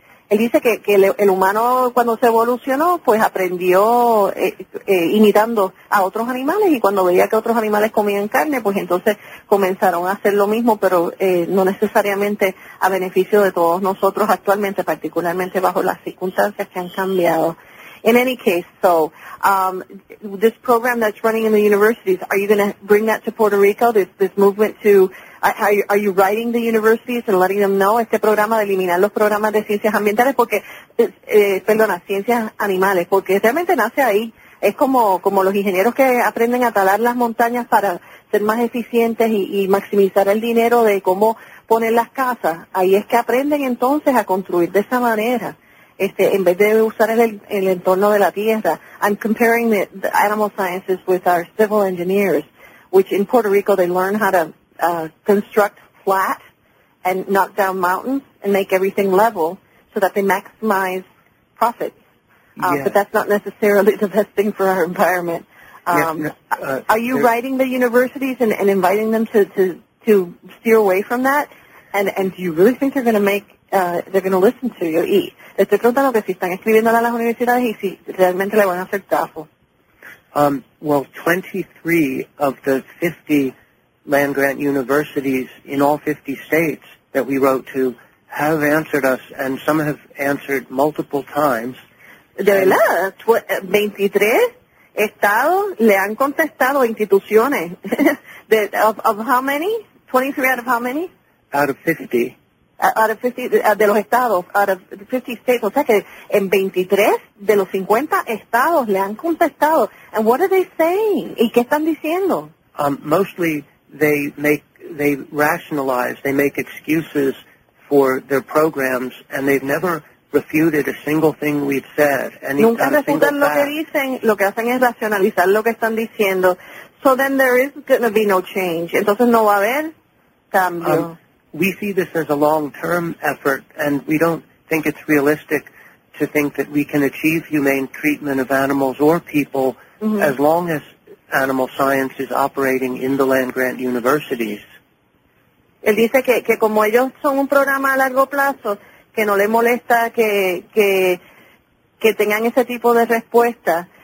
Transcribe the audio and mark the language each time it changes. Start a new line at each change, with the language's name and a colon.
Spanish: Él dice que el humano, cuando se evolucionó, pues aprendió imitando a otros animales, y cuando veía que otros animales comían carne, pues entonces comenzaron a hacer lo mismo, pero no necesariamente a beneficio de todos nosotros actualmente, particularmente bajo las circunstancias que han cambiado.
English: In any case, so, this program that's running in the universities, are you going to bring that to Puerto Rico, this movement to... Are you writing the universities and letting them know
Spanish: este programa de eliminar los programas de ciencias ambientales porque, perdona, ciencias animales, porque realmente nace ahí. Es como los ingenieros que aprenden a talar las montañas para ser más eficientes y maximizar el dinero de cómo poner las casas. Ahí es que aprenden entonces a construir de esa manera, en vez de usar el entorno de la tierra.
English: I'm comparing the animal sciences with our civil engineers, which in Puerto Rico they learn how to construct flat and knock down mountains and make everything level so that they maximize profits. Yes. But that's not necessarily the best thing for our environment. Are you writing the universities and inviting them to steer away from that? And do you really think they're going to make, they're going to listen to you?
Spanish: Estoy preguntando que si están escribiendo a las universidades y si realmente le van a hacer caso.
English: Well, 23 of the 50 land-grant universities in all 50 states that we wrote to have answered us, and some have answered multiple times.
Spanish: De verdad, 23 estados le han contestado instituciones.
English: of how many? 23 out of how many? Out of 50. Out of 50,
Spanish: de los estados,
English: out of 50 states.
Spanish: O sea que en 23 de los 50 estados le han contestado.
English: And what are they saying?
Spanish: ¿Y qué están diciendo?
English: Mostly... They rationalize, they make excuses for their programs, and they've never refuted a single thing we've said. And
Spanish: nunca refutan lo que dicen, lo que hacen es racionalizar lo que están diciendo.
English: So then there is going to be no change.
Spanish: Entonces no va a haber cambio.
English: We see this as a long-term effort, and we don't think it's realistic to think that we can achieve humane treatment of animals or people as long as animal science is operating in the land-grant universities.
Spanish: Él dice que como ellos son un programa a largo plazo, que no le molesta que tengan ese tipo de respuesta.